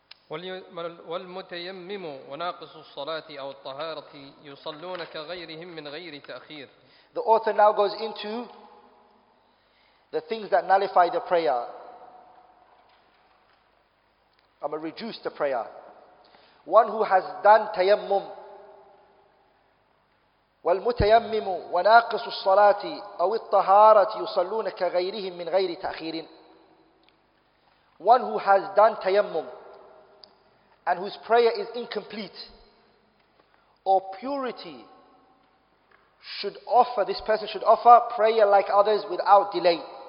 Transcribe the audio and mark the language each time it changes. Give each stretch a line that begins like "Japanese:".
Arabic: وَالْمُتَيَمِّمُ وَنَاقِصُ الصَّلَاةِ أَوْ الطَّهَارَةِ يُصَلُّونَ كَغَيْرِهِمْ مِنْ غَيْرِ تَأْخِيرٍ.
English: The author now goes into the things that nullify the prayer. I'm going to reduce the prayer. One who has done tayammum,
Arabic: والمتيمم وناقص الصلاة أو الطهارة يصلون كغيرهم من غير تأخير.
English: One who has done tayammum and whose prayer is incomplete or purity should offer, this person should offer prayer like others without delay.